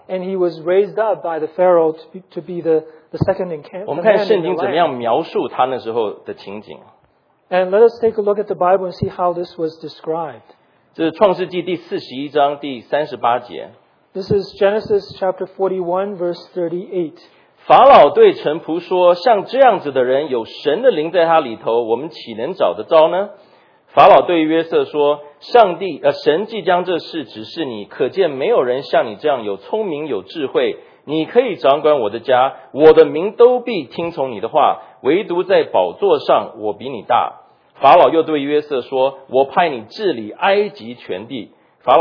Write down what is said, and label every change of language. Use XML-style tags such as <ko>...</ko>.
<en>And he was raised up by the Pharaoh to be the second in command.</en> <zh>我们看圣经怎么样描述他那时候的情景。</zh> <en>And let us take a look at the Bible and see how this was described.</en> <zh>这是创世纪第41章第38节。</zh> <en>This is Genesis chapter 41, verse 38.</en> <zh>法老对臣仆说：“像这样子的人，有神的灵在他里头，我们岂能找得着呢？”法老对约瑟说：“上帝，神既将这事指示你，可见没有人像你这样有聪明有智慧，你可以掌管我的家，我的名都必听从你的话，唯独在宝座上我比你大。”法老又对约瑟说：“我派你治理埃及全地。”</zh>